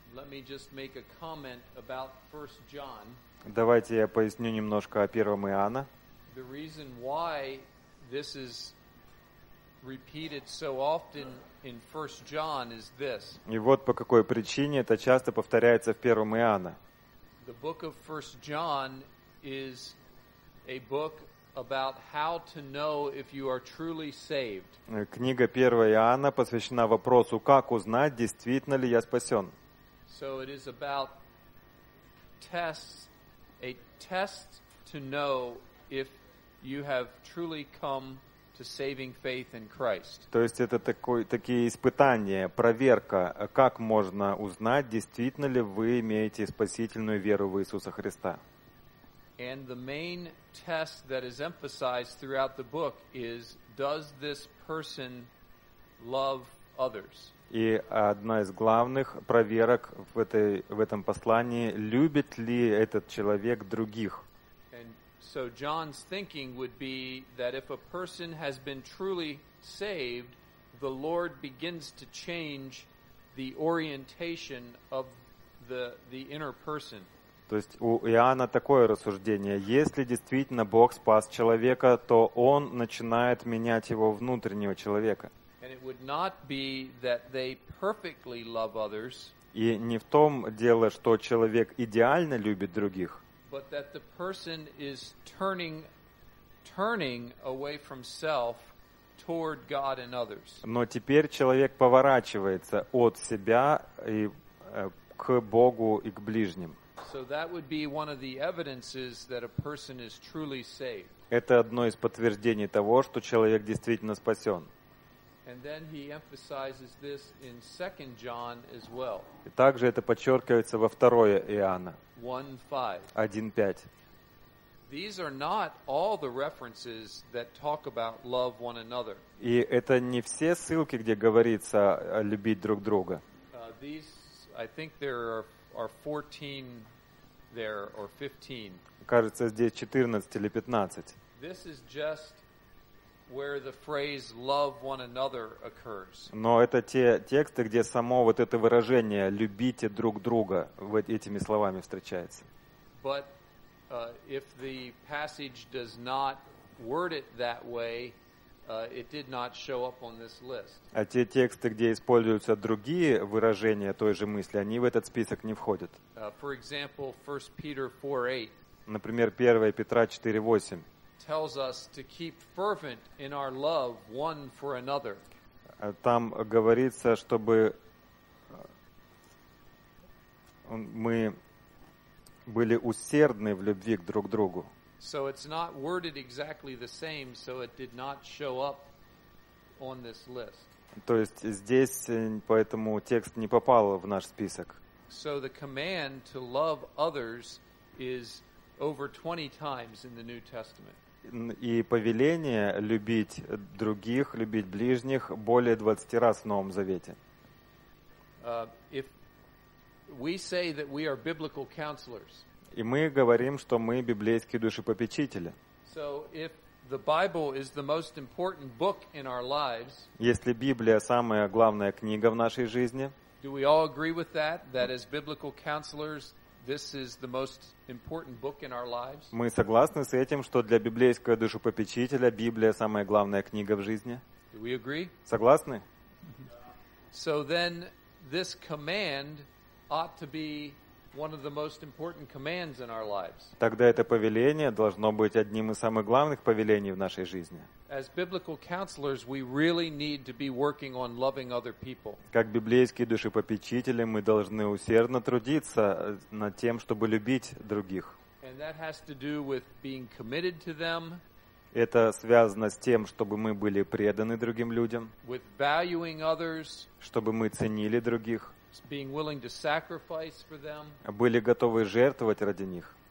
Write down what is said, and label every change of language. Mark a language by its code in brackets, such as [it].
[en] Let me just make a comment about 1 John. [ru] Давайте я поясню немножко о 1 Иоанна. [en] The reason why this is repeated so often in 1 John is this. [ru] И вот по какой причине это часто повторяется в 1 Иоанна. [en] The book of 1 John is a book about how to know if you are truly saved. [ru] Книга 1 Иоанна посвящена вопросу, как узнать, действительно ли я спасен. [en] So it is about tests, a test to know if you have truly come to saving faith in Christ. [ru] То есть это такие испытания, проверка, как можно узнать, действительно ли вы имеете спасительную веру в Иисуса Христа. [en] And the main test that is emphasized throughout the book is, does this person love others? [ru] И одна из главных проверок в этом послании, любит ли этот человек других? [en] And so John's thinking would be that if a person has been truly saved, the Lord begins to change the orientation of the inner person. [ru] То есть у Иоанна такое рассуждение. Если действительно Бог спас человека, то Он начинает менять его внутреннего человека. [en] And it would not be that they perfectly love others, [ru] и не в том дело, что человек идеально любит других, [en] but that the person is turning turning away from self toward God and others. [ru] Но теперь человек поворачивается от себя и к Богу и к ближним. [en] So that would be one of the evidences that a person is truly saved. [ru] Это одно из подтверждений того, что человек действительно спасен. [en] And then he emphasizes this in 2 John as well. [ru] И также это подчеркивается во 2 Иоанна. [en] 1:5. These are not all the references that talk about love one another. [ru] И это не все ссылки, где говорится о любить друг друга. [en] These, I think there are 14 there or 15. [ru] Кажется, здесь 14 или 15. [en] This is just where the phrase love one another occurs. [ru] Но это те тексты, где само вот это выражение любите друг друга вот этими словами встречается. [en] But if the passage does not word it that way, it did not show up on this list. [ru] А те тексты, где используются другие выражения той же мысли, они в этот список не входят. [en] For example, 1 Peter 4:8. [ru] Например, 1 Петра 4:8. [en] Tells us to keep fervent in our love one for another. [ru] Там говорится, чтобы мы были усердны в любви друг к другу. [en] So it's not worded exactly the same, so it did not show up on this list. [ru] То есть здесь поэтому текст не попал в наш список. [en] So the command to love others is over 20 times in the New Testament. [ru] И повеление любить других, любить ближних более 20 раз в Новом Завете. [en] If we say that we are biblical counselors, [ru] и мы говорим, что мы библейские душепопечители. [en] So if the Bible is the most important book in our lives, [ru] если Библия самая главная книга в нашей жизни, [en] do we all agree with that, that as biblical counselors, this is the most important book in our lives? [ru] Мы согласны с этим, что для библейского душепопечителя Библия самая главная книга в жизни? [en] Do we agree? [ru] Согласны? [en] So then this command ought to be one of the most important commands in our lives. [ru] Тогда это повеление должно быть одним из самых главных повелений в нашей жизни. [en] As biblical counselors, we really need to be working on loving other people. [ru] Как библейские душепопечители, мы должны усердно трудиться над тем, чтобы любить других. [en] And that has to do with being committed to them. [ru] Это связано с тем, чтобы мы были преданы другим людям. [en] With valuing others. [ru] Чтобы мы ценили других. [en] Being willing to sacrifice for them. [ru] Были готовы жертвовать ради них.